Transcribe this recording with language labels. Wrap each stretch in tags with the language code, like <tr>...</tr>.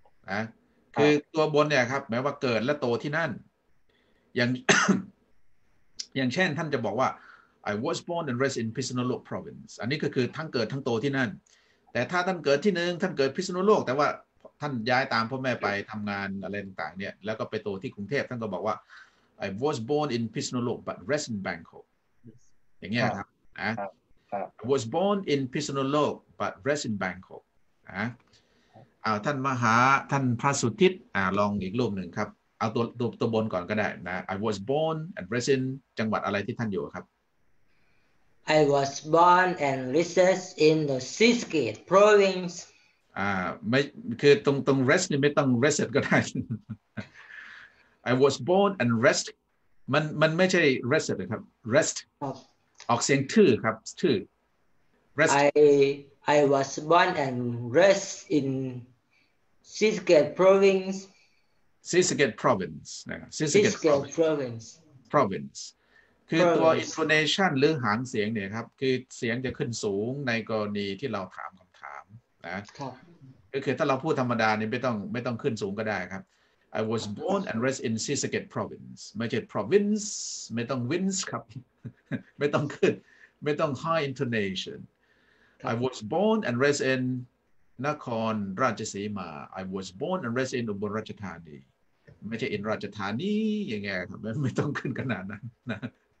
<th>นะคือตัวบนเนี่ยครับแม้ว่าเกิดและโตที่นั่นอย่างเช่นท่านจะบอกว่า</th> <en>I was born and raised in Pisanulok province</en> <th>อันนี้ก็คือทั้งเกิดทั้งโตที่นั่นแต่ถ้าท่านเกิดที่หนึ่งท่านเกิดพิษณุโลกแต่ว่าท่านย้ายตามพ่อแม่ไปทำงานอะไรต่างๆเนี่ยแล้วก็ไปโตที่กรุงเทพท่านก็บอกว่า</th> <en>I was born in Pisanulok but raised in Bangkok</en> <th>อย่างเงี้ยครับนะ</th> <en>I was born in Pisanulok but raised in Bangkok</en> <th>นะ ท่านมหาท่านพระสุทิศลองอีกรูปหนึ่งครับเอาตัวบนก่อนก็ได้นะ</th> <en>I was born and raised in</en> <th>จังหวัดอะไรที่ท่านอยู่ครับ</th> <en>I was born and raised in the Seaskate province.</en> <th>ไม่คือตรง rest นี่ไม่ต้อง raised ก็ได้</th> <en>I was born and raised</en> <th>มันไม่ใช่ raised นะครับ rest ออกเสียงทื่อครับทื่อ</th> <en>rest I was born and raised in Seaskate province. Seaskate province นะ Seaskate province province.</en> <th>คือตัว intonation หรือหางเสียงเนี่ยครับคือเสียงจะขึ้นสูงในกรณีที่เราถามคำถามนะ ครับก็คือถ้าเราพูดธรรมดาเนี่ยไม่ต้องขึ้นสูงก็ได้ครับ</th> <en>I was born and raised in Seaskate province</en> <th>ไม่ใช่ province ไม่ต้อง winds ครับไม่ต้องขึ้นไม่ต้อง</th> <en>high intonation I was born and raised in</en> <th>นครราชสีมา</th> <en>I was born and raised in</en> <th>อุบลราชธานีไม่ใช่ in ราชธานียังไงครับไม่ต้องขึ้นขนาดนั้นนะ</th>